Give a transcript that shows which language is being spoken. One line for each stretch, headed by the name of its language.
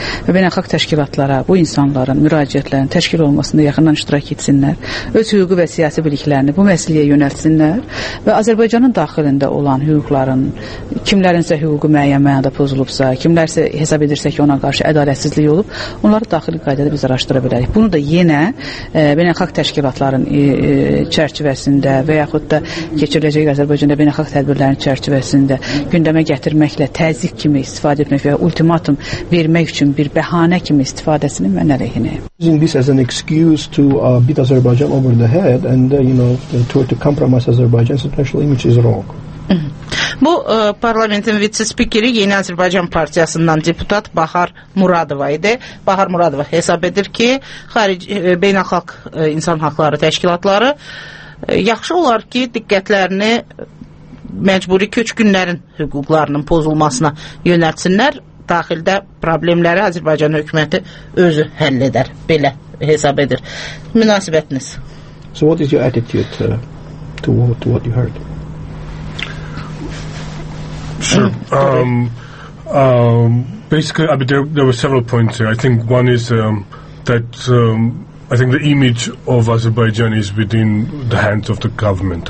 Azerbaijani: və beynəlxalq təşkilatlara bu insanların müraciətlərin təşkil olmasında yaxından iştirak etsinlər, öz hüququ və siyasi biliklərini bu məsələyə yönəltsinlər və Azərbaycanın daxilində olan hüquqların kimlərinsə hüququ müəyyən mənada pozulubsa, kimlərsə hesab edirsə ki, ona qarşı ədalətsizlik olub, onları daxili qaydada biz araşdıra bilərik. Bunu da yenə beynəlxalq təşkilatların çərçivəsində və yaxud da keçiriləcək Azərbaycanda beynəlxalq tədbirlərin çərçivəsində gündəmə gətirməklə təzyiq kimi istifadə etmək və ultimatum vermək üçün bir bəhanə kimi istifadəsinin mən əleyhinəyəm.
English: This is an excuse to beat Azerbaijan over the head and to compromise Azerbaijan's international image is wrong.
Azerbaijani: Bu parlamentin vitse-spikeri Yeni Azərbaycan Partiyasından deputat Bahar Muradova idi. Bahar Muradova hesab edir ki, beynəlxalq insan haqları təşkilatları yaxşı olar ki, diqqətlərini məcburi köç günlərin hüquqlarının pozulmasına yönəltsinlər. Daxildə problemləri Azərbaycan hökuməti özü həll edər. Belə hesab edir. Münasibətiniz?
English: So what is your attitude to what you heard? Sure. Basically, I mean, there were several points here. I think one is I think the image of Azerbaijan is within the hands of the government.